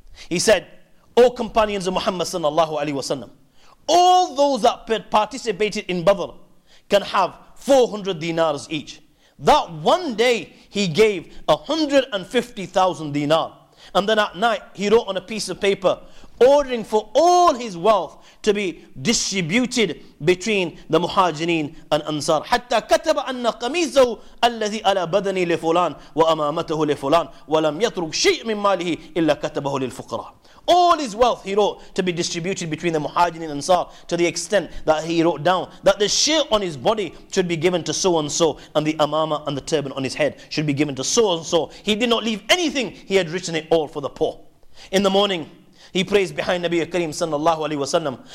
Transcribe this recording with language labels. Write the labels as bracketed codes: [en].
[en] He said, "O companions of Muhammad sallallahu alaihi wasallam, all those that participated in Badr can have 400 dinars each." That one day he gave 150,000 dinar. And then at night he wrote on a piece of paper, ordering for all his wealth to be distributed between the Muhajirin and Ansar. [ar] حتى كتب أن قميصه الذي على بدني لفلان وأمامته لفلان ولم يترك شيء من ماله إلا كتبه للفقراء. [en] All his wealth he wrote to be distributed between the Muhajirin and Ansar, to the extent that he wrote down that the shirt on his body should be given to so and so, and the amama and the turban on his head should be given to so and so. He did not leave anything. He had written it all for the poor. In the morning, he prays behind Nabi Kareem sallallahu alayhi wa sallam.